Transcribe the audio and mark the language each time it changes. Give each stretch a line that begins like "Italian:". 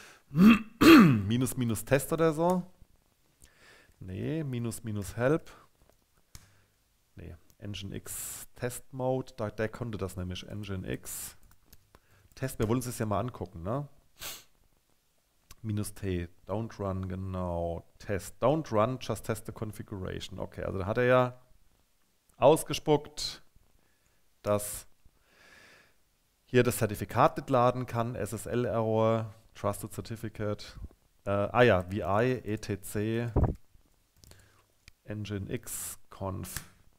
German: Minus minus Test oder so. Nee, minus minus Help. Nee, Nginx Test Mode. Der konnte das nämlich. Nginx Test. Wir wollen uns das ja mal angucken, ne? Minus T.
English: Don't run,
German: genau. Test.
English: Don't run, just test the configuration.
German: Okay, also da hat er ja ausgespuckt, dass hier das Zertifikat nicht laden kann. SSL-Error. Trusted Certificate. Ah ja, VI, ETC, Nginx, Conf.